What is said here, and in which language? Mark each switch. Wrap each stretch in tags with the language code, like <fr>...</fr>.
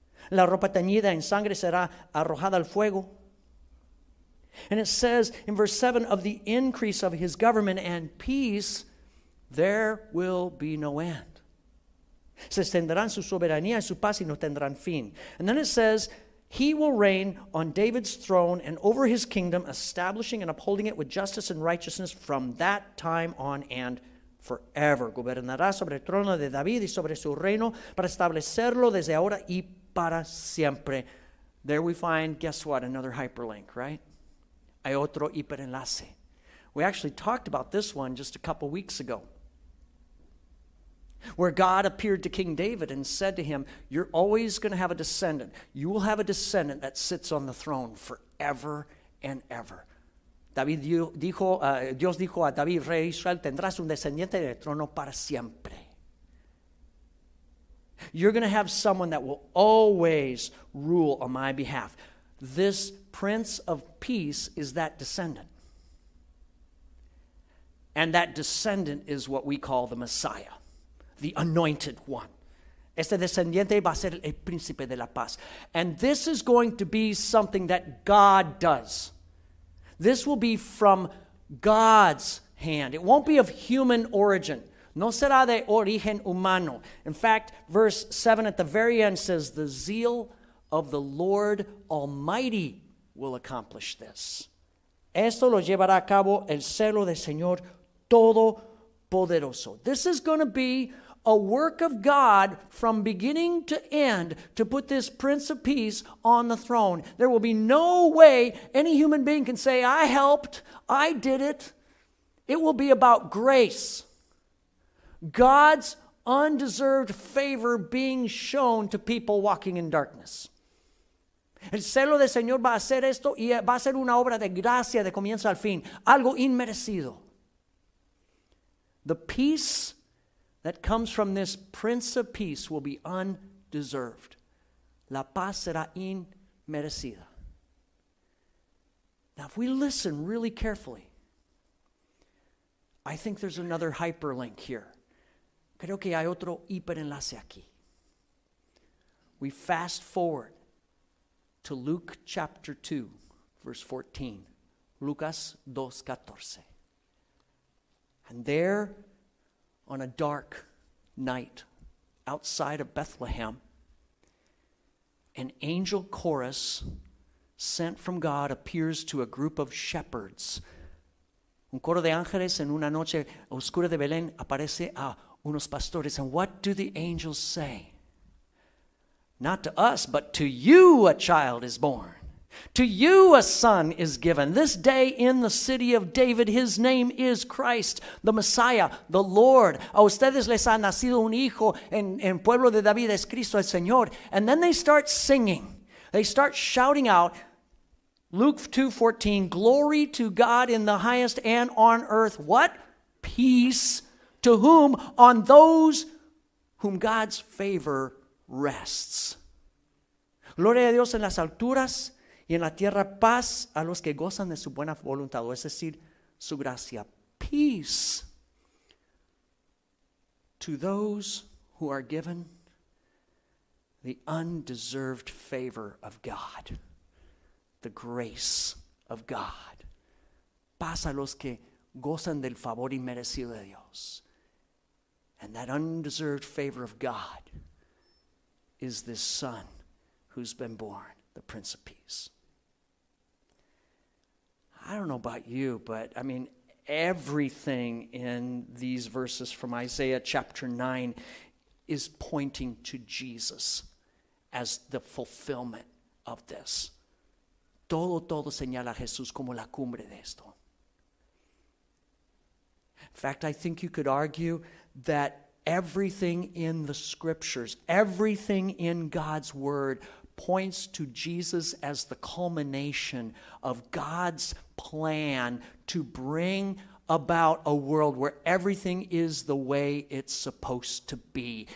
<es>La ropa teñida en sangre será arrojada al fuego.</es> <en>And it says in verse 7, of the increase of his government and peace, there will be no end.</en> <es>Se extenderán su soberanía y su paz y no tendrán fin.</es> <en>And then it says, he will reign on David's throne and over his kingdom, establishing and upholding it with justice and righteousness from that time on and forever.</en> <es>Gobernará sobre el trono de David y sobre su reino para establecerlo desde ahora y para siempre.</es> <en>There we find, guess what, another hyperlink, right?</en> <es>Hay otro hiperenlace.</es> <en>We actually talked about this one just a couple weeks ago, where God appeared to King David and said to him, you're always going to have a descendant. You will have a descendant that sits on the throne forever and ever.</en> <es>Dios dijo a David, Rey Israel, tendrás un descendiente del trono para siempre.</es> <en>You're going to have someone that will always rule on my behalf. This Prince of Peace is that descendant. And that descendant is what we call the Messiah, the Anointed One.</en> <es>Este descendiente va a ser el Príncipe de la Paz.</es> <en>And this is going to be something that God does. This will be from God's hand. It won't be of human origin.</en> <es>No será de origen humano.</es> <en>In fact, verse 7 at the very end says, the zeal of the Lord Almighty will accomplish this.</en> <es>Esto lo llevará a cabo el celo del Señor Todopoderoso.</es> <en>This is going to be a work of God from beginning to end to put this Prince of Peace on the throne. There will be no way any human being can say, I helped, I did it. It will be about grace. God's undeserved favor being shown to people walking in darkness.</en> <es>El celo del Señor va a hacer esto y va a ser una obra de gracia de comienzo al fin, algo inmerecido.</es> <en>The peace that comes from this Prince of Peace will be undeserved.</en> <es>La paz será inmerecida.</es> <en>Now, if we listen really carefully, I think there's another hyperlink here.</en> <es>Creo que hay otro hiperenlace aquí.</es> <en>We fast forward to Luke chapter 2, verse 14.</en> <es>Lucas 2, 14.</es> <en>And there, on a dark night outside of Bethlehem, an angel chorus sent from God appears to a group of shepherds.</en> <es>Un coro de ángeles en una noche oscura de Belén aparece a unos pastores.</es> <en>And what do the angels say? Not to us, but to you a child is born. To you a son is given. This day in the city of David, his name is Christ, the Messiah, the Lord.</en> <es>A ustedes les ha nacido un hijo en pueblo de David, es Cristo el Señor.</es> <en>And then they start singing. They start shouting out, Luke 2:14, glory to God in the highest and on earth. What? Peace. To whom? On those whom God's favor rests.</en> <es>Gloria a Dios en las alturas y en la tierra paz a los que gozan de su buena voluntad, es decir, su gracia.</es> <en>Peace to those who are given the undeserved favor of God, the grace of God.</en> <es>Paz a los que gozan del favor inmerecido de Dios.</es> <en>And that undeserved favor of God is this son who's been born, the Prince of Peace. I don't know about you, but I mean, everything in these verses from Isaiah chapter 9 is pointing to Jesus as the fulfillment of this.</en> <es>Todo, todo señala a Jesús como la cumbre de esto.</es> <en>In fact, I think you could argue that everything in the scriptures, everything in God's word points to Jesus as the culmination of God's plan to bring about a world where everything is the way it's supposed to be.</en>